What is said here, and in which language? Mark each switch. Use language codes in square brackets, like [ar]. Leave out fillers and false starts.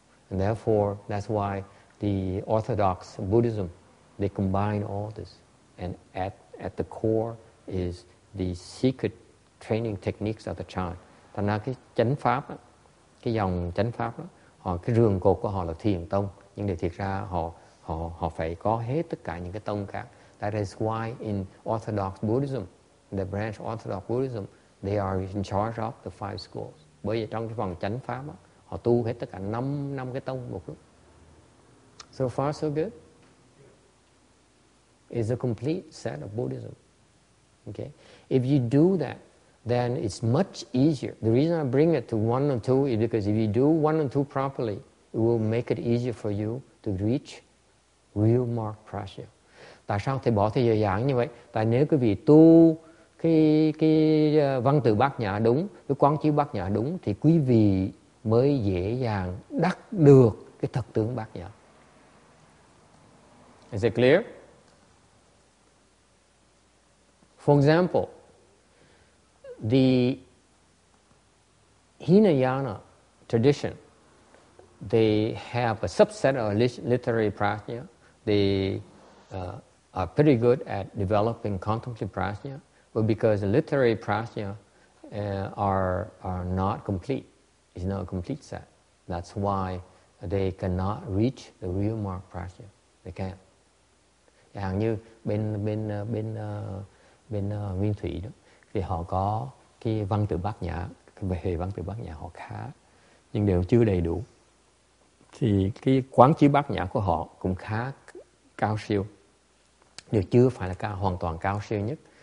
[en] And therefore, that's why the Orthodox Buddhism, they combine all this. And at the core is the secret training techniques of the Chan. [vi] Thành ra cái chánh pháp đó, cái dòng chánh pháp đó, họ, cái rường cột của họ là thiền tông. Nhưng để thiệt ra họ phải có hết tất cả những cái tông khác. [en] That is why in Orthodox Buddhism, the branch Orthodox Buddhism, they are in charge of the five schools. [vi] Bởi vì trong cái phần chánh pháp, đó, họ tu hết tất cả 5 cái tông một lúc. [en] So far, so good. It's a complete set of Buddhism. Okay? If you do that, then it's much easier. The reason I bring it to 1 and 2 is because if you do 1 and 2 properly, it will make it easier for you to reach real mark prajna. [vi] Tại sao thầy bỏ thầy giờ giảng như vậy? Tại nếu quý vị tu cái văn tự bát nhã đúng, cái quán chiếu bát nhã đúng, thì quý vị mới dễ dàng đắc được cái thật tướng bát nhã. [en] Is it clear? For example, the Hinayana tradition, they have a subset of literary prajna. They are pretty good at developing contemplative prajna, but because literary prajna are not complete, it's not a complete set. That's why they cannot reach the real mark prajna. They can't. [vi] Chẳng như bên Nguyên Thủy đó, thì họ có cái văn tự bát nhã, về hệ văn tự bát nhã họ khá, nhưng đều chưa đầy đủ. Thì cái quán chiếu bát nhã của họ cũng khá cao siêu, đều chưa phải là hoàn toàn cao siêu nhất.